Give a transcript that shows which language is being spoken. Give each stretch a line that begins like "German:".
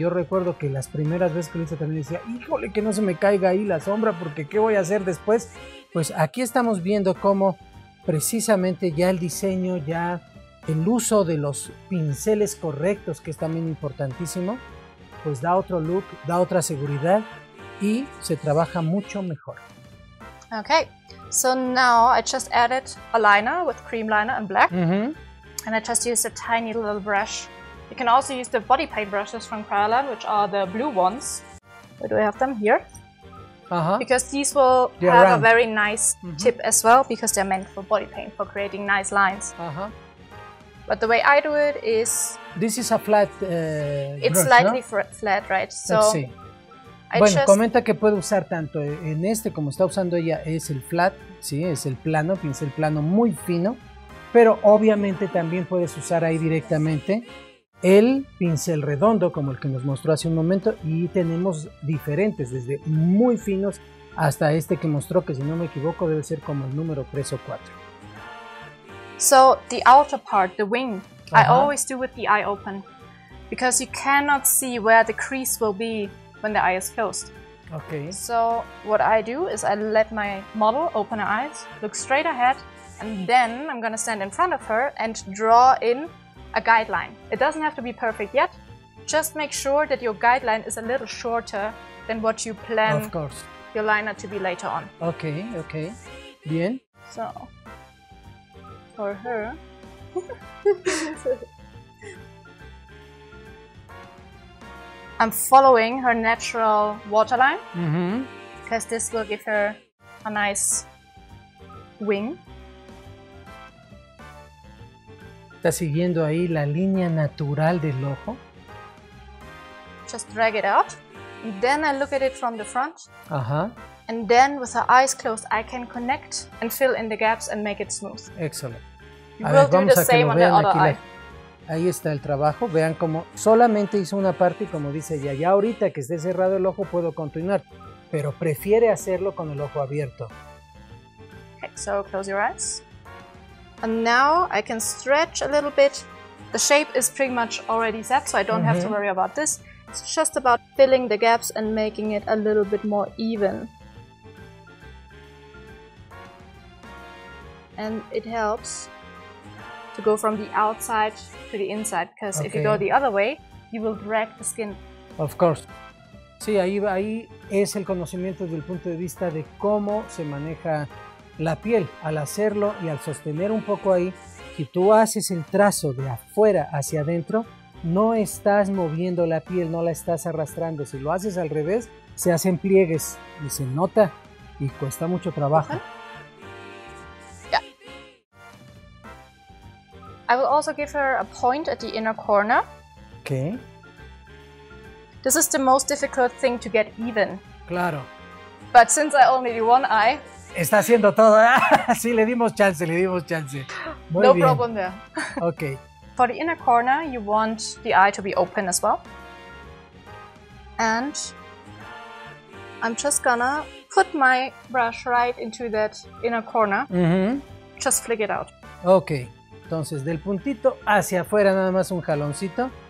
Spanish: Yo recuerdo que las primeras veces que lo hice también decía, híjole, que no se me caiga ahí la sombra, porque ¿qué voy a hacer después? Pues aquí estamos viendo cómo precisamente ya el diseño, ya el uso de los pinceles correctos, que es también importantísimo, pues da otro look, da otra seguridad, y se trabaja mucho mejor.
English: Okay, so now I just added a liner with cream liner and black. Mm-hmm. And I just used a tiny little brush. You can also use the body paint brushes from Crayolan, which are the blue ones. Where do I have them? Here. Uh-huh. Because these will they're have round. A very nice mm-hmm. tip as well, because they're meant for body paint, for creating nice lines. Uh-huh. But the way I do it is... This is a flat it's brush, slightly
Spanish: no?
English: flat, right? So. Let's see.
Spanish: Bueno, comenta que puede usar tanto en este como está usando ella, es el flat, sí, es el plano, pincel plano muy fino, pero obviamente también puedes usar ahí directamente el pincel redondo, como el que nos mostró hace un momento, y tenemos diferentes, desde muy finos hasta este que mostró, que si no me equivoco debe ser como el número 3 o 4.
English: So, the outer part, the wing, uh-huh. I always do with the eye open, because you cannot see where the crease will be. When the eye is closed. Okay. So what I do is I let my model open her eyes, look straight ahead, and then I'm gonna stand in front of her and draw in a guideline. It doesn't have to be perfect yet. Just make sure that your guideline is a little shorter than what you plan of course. Your liner to be later on. Okay, okay.
Spanish: Bien.
English: So for her. I'm following her natural waterline because mm-hmm. this will give her a nice wing.
Spanish: Está siguiendo ahí la línea natural del ojo.
English: Just drag it out. And then I look at it from the front. Uh-huh. And then with her eyes closed, I can connect and fill in the gaps and make it smooth. Excellent. You will do the same on the other eye.
Spanish: Ahí está el trabajo, vean cómo solamente hizo una parte y como dice ella, ya ahorita que esté cerrado el ojo puedo continuar, pero prefiere hacerlo con el ojo abierto.
English: Okay, so close your eyes. And now I can stretch a little bit. The shape is pretty much already set, so I don't mm-hmm. have to worry about this. It's just about filling the gaps and making it a little bit more even. And it helps. To go from the outside to the inside, because okay. if you go the other way, you will drag the skin. Of course.
Spanish: Sí, ahí es el conocimiento desde el punto de vista de cómo se maneja la piel al hacerlo y al sostener un poco ahí. Si tú haces el trazo de afuera hacia adentro, no estás moviendo la piel, no la estás arrastrando. Si lo haces al revés, se hacen pliegues y se nota y cuesta mucho trabajo.
English: I will also give her a point at the inner corner. Okay. This is the most difficult thing to get even.
Spanish: Claro.
English: But since I only do one eye.
Spanish: Está haciendo todo. Sí, le dimos chance. Muy bien.
English: No problem there. Okay. For the inner corner, you want the eye to be open as well. And I'm just gonna put my brush right into that inner corner. Mm-hmm. Just flick it out. Okay.
Spanish: Entonces, del puntito hacia afuera, nada más un jaloncito.